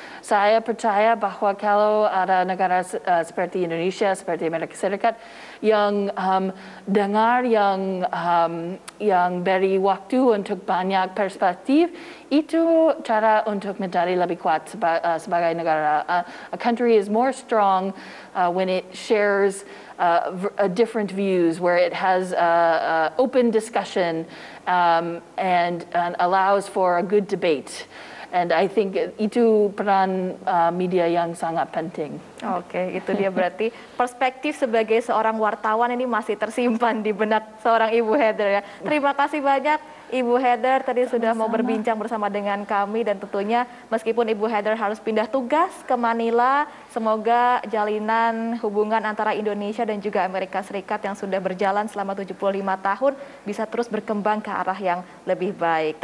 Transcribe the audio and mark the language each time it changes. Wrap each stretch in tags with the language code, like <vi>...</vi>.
<id>Saya percaya bahwa kalau ada negara seperti Indonesia, seperti Amerika Serikat, yang dengar, yang beri waktu untuk banyak perspektif, itu cara untuk menjadi lebih kuat sebagai negara.</id> <en>A country is more strong when it shares different views, where it has open discussion and allows for a good debate. And I think</en> <id>itu peran media yang sangat penting. Oke, itu dia berarti perspektif sebagai seorang wartawan ini masih tersimpan di benak seorang Ibu Heather ya. Terima kasih banyak Ibu Heather tadi sudah mau berbincang bersama dengan kami, dan tentunya meskipun Ibu Heather harus pindah tugas ke Manila, semoga jalinan hubungan antara Indonesia dan juga Amerika Serikat yang sudah berjalan selama 75 tahun bisa terus berkembang ke arah yang lebih baik.</id>